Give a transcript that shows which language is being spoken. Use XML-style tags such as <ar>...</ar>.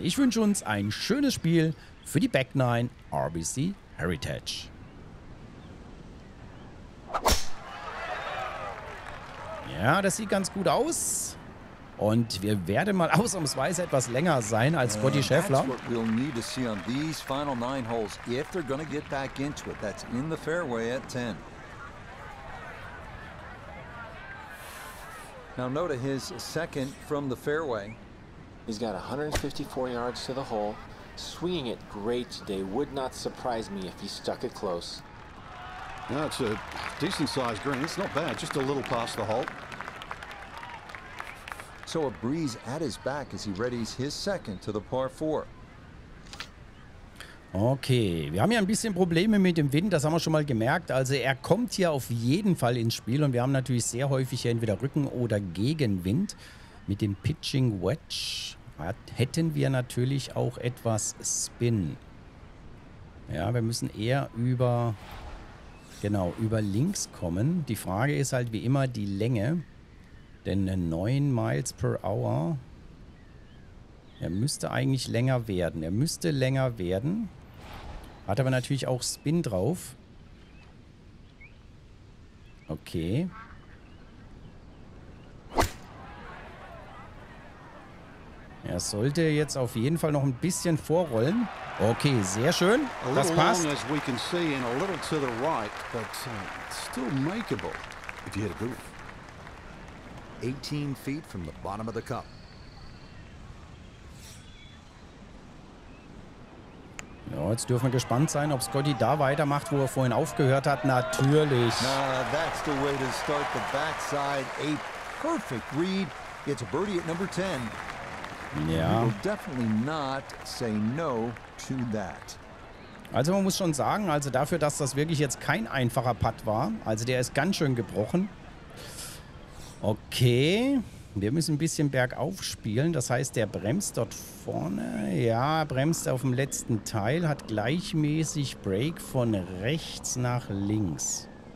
<de>Ich wünsche uns ein schönes Spiel für die Back 9 RBC Heritage. Ja, das sieht ganz gut aus. Und wir werden mal ausnahmsweise etwas länger sein als Scotty Scheffler.</de> <en>We'll need to see on these final 9 holes if they're going to get back into it. That's in the fairway at 10. Now note his second from the fairway. He's got 154 yards to the hole. Swinging it great today. Would not surprise me if he stuck it close. Now it's a decent sized green. It's not bad. Just a little past the hole. So a breeze at his back as he readies his second to the par 4.</en> <de>Okay, wir haben ja ein bisschen Probleme mit dem Wind, das haben wir schon mal gemerkt. Also er kommt hier auf jeden Fall ins Spiel und wir haben natürlich sehr häufig hier entweder Rücken- oder Gegenwind. Mit dem Pitching Wedge hätten wir natürlich auch etwas Spin. Ja, wir müssen eher über, genau, über links kommen. Die Frage ist halt wie immer die Länge. Denn 9 Miles per Hour, er müsste eigentlich länger werden. Er müsste länger werden. Hat aber natürlich auch Spin drauf. Okay. Er sollte jetzt auf jeden Fall noch ein bisschen vorrollen. Okay, sehr schön. Das passt.</de> <en>As we can see, and a little to the right, but still makeable if you had a good one. 18 feet from the bottom of the cup.</en> <de>Ja, jetzt dürfen wir gespannt sein, ob Scotty da weitermacht, wo er vorhin aufgehört hat. Natürlich.</de> <en>Now that's the way to start the backside. A perfect read. It's a birdie at number 10.</en> <de>Ja.</de> <en>Definitely not say no to that.</en> <de>Also man muss schon sagen, also dafür, dass das wirklich jetzt kein einfacher Putt war, also der ist ganz schön gebrochen. Okay, wir müssen ein bisschen bergauf spielen. Das heißt, der bremst dort vorne. Ja, bremst auf dem letzten Teil. Hat gleichmäßig Break von rechts nach links.</de>